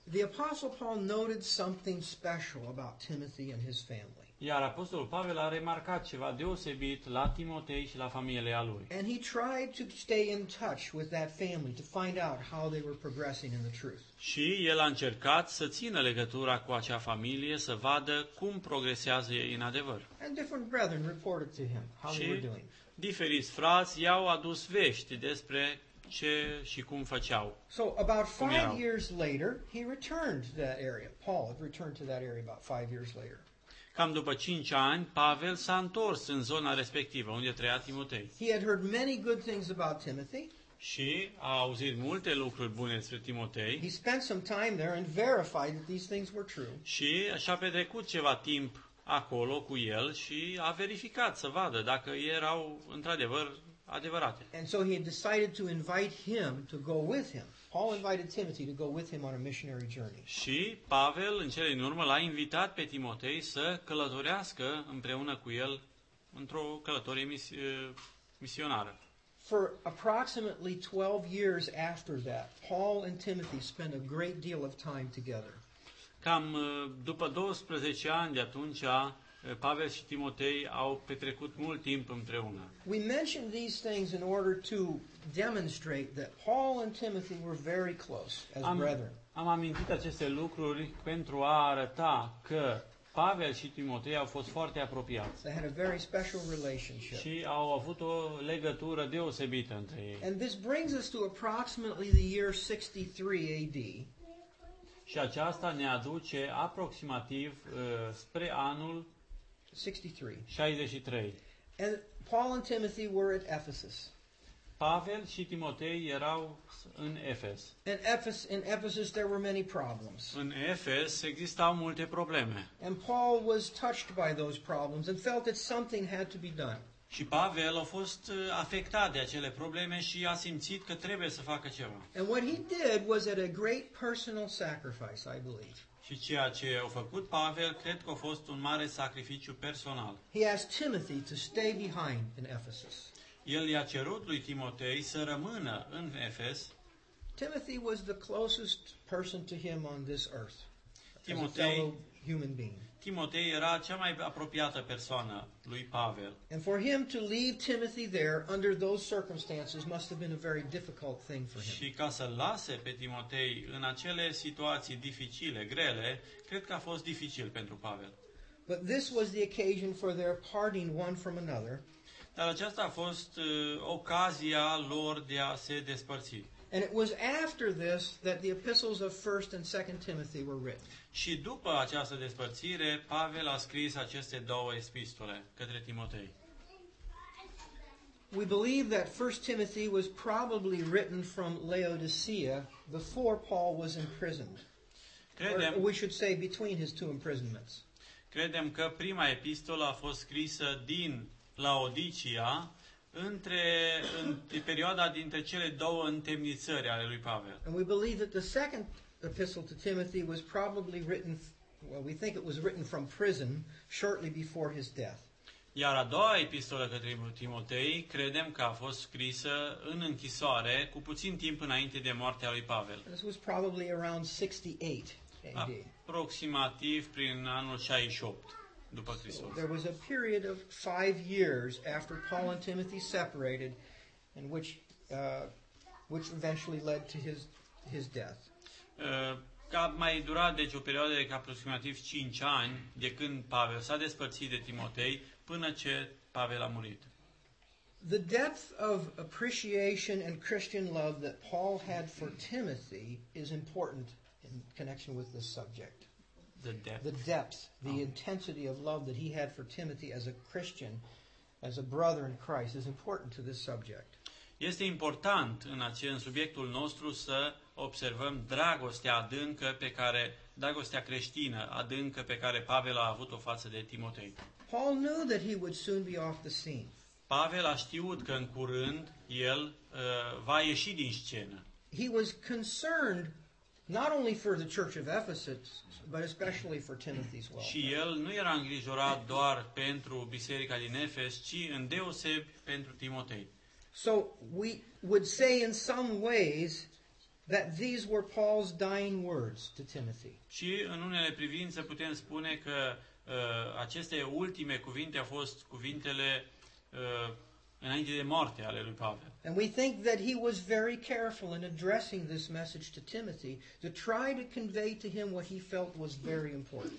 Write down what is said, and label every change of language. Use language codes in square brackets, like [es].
[en] The Apostle Paul noted something special about Timothy and his family. [ro] Iar Apostolul Pavel a remarcat ceva deosebit la Timotei și la familia lui. [en] And he tried to stay in touch with that family to find out how they were progressing in the truth. [ro] Și el a încercat să țină legătura cu acea familie, să vadă cum progresează ei în adevăr. [en] And different brethren reported to him how they were doing. [ro] Diferiți frați i-au adus vești despre ce și cum făceau. [en] So about 5 years later, he returned to that area. Paul had returned to that area about 5 years later. [ro] Cam după 5 ani, Pavel s-a întors în zona respectivă unde trăia Timotei. [en] He had heard many good things about Timothy. [ro] Și a auzit multe lucruri bune despre Timotei. [en] He spent some time there and verified that these things were true. [ro] Și a petrecut ceva timp acolo cu el și a verificat să vadă dacă erau într-adevăr adevărate. [en] And so he had decided to invite him to go with him. Paul invited Timothy to go with him on a missionary journey. [ro] Și Pavel în cele din urmă l-a invitat pe Timotei să călătorească împreună cu el într-o călătorie misionară. [en] For approximately 12 years after that, Paul and Timothy spent a great deal of time together. [ro] Cam după 12 ani de atunci, Pavel și Timotei au petrecut mult timp împreună. [en] We mention these things in order to demonstrate that Paul and Timothy were very close as brethren. [ro] Am amintit aceste lucruri pentru a arăta că Pavel și Timotei au fost foarte apropiați. [en] They had a very special relationship. [ro] Și au avut o legătură deosebită între ei. [en] And this brings us to approximately the year 63 AD. [ro] Și aceasta ne aduce aproximativ spre anul 63. [en] And Paul and Timothy were at Ephesus. [ro] Pavel și Timotei erau în Efes. [en] In Ephesus there were many problems. [ro] În Efes existau multe probleme. [en] And Paul was touched by those problems and felt that something had to be done. [ro] Și Pavel a fost afectat de acele probleme și a simțit că trebuie să facă ceva. [en] And what he did was at a great personal sacrifice, I believe. [ro] Și ceea ce a făcut Pavel, cred că a fost un mare sacrificiu personal. [en] He asked Timothy to stay behind in Ephesus. [ro] El i-a cerut lui Timotei să rămână în Efes. [en] Timothy was the closest person to him on this earth. Timotei, as a fellow human being. [ro] Timotei era cea mai apropiată persoană lui Pavel. [en] And for him to leave Timothy there under those circumstances must have been a very difficult thing for him. [ro] Și ca să lase pe Timotei în acele situații dificile, grele, cred că a fost dificil pentru Pavel. [en] But this was the occasion for their parting one from another. [ro] Dar aceasta a fost ocazia lor de a se despărți. [en] And it was after this that the epistles of 1 and 2 Timothy were written. [ro] Și după această despărțire, Pavel a scris aceste două epistole către Timotei. [en] We believe that 1 Timothy was probably written from Laodicea before Paul was imprisoned. [ro] Credem, [en] or we should say between his two imprisonments. [ro] Credem că prima epistolă a fost scrisă din Laodicea în perioada dintre cele două întemnițări ale lui Pavel. [en] And we believe that the second epistle to Timothy was probably written, well, we think it was written from prison shortly before his death. [ro] Iar a doua epistolă către Timotei credem că a fost scrisă în închisoare cu puțin timp înainte de moartea lui Pavel. [en] This was probably around 68 AD. [ro] Aproximativ prin anul 68 după Hristos. [en] There was a period of 5 years after Paul and Timothy separated in which which eventually led to his death. [ro] A mai durat deci o perioadă de aproximativ 5 ani de când Pavel s-a despărțit de Timotei până ce Pavel a murit. [en] The depth of appreciation and Christian love that Paul had for Timothy is important in connection with this subject. The depth, intensity of love that he had for Timothy as a Christian, as a brother in Christ, is important to this subject. [ro] Este important în subiectul nostru să observăm dragostea adâncă pe care dragostea creștină adâncă pe care Pavel a avut-o față de Timotei. [en] Paul knew that he would soon be off the scene. [ro] Pavel a știut că în curând el va ieși din scenă. [en] He was concerned not only for the church of Ephesus, but especially for Timothy's welfare. [ro] Și el nu era îngrijorat doar pentru biserica din Efes, ci în deosebi pentru Timotei. [en] So we would say in some ways that these were Paul's dying words to Timothy. [ro] Și în unele privințe putem spune că aceste ultime cuvinte au fost cuvintele înainte de moarte ale lui Pavel. [en] And we think that he was very careful in addressing this message to Timothy to try to convey to him what he felt was very important.